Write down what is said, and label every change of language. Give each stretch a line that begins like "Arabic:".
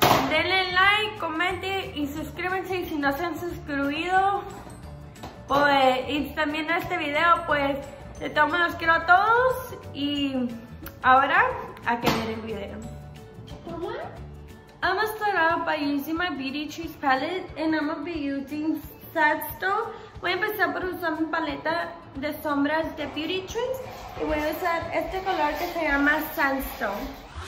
Spanish: Denle like, comenten y suscríbanse. Y si no se han suscrito, pues, y también a este video, pues, de todos modos los quiero a todos. Y ahora, a que ver el video.
English: I'm gonna start out by using my Beauty Treats palette, and I'm gonna be using Sadstone.
Spanish: Voy a empezar por usar mi paleta de sombras de Beauty Treats. Y voy a usar este color que se llama Sadstone.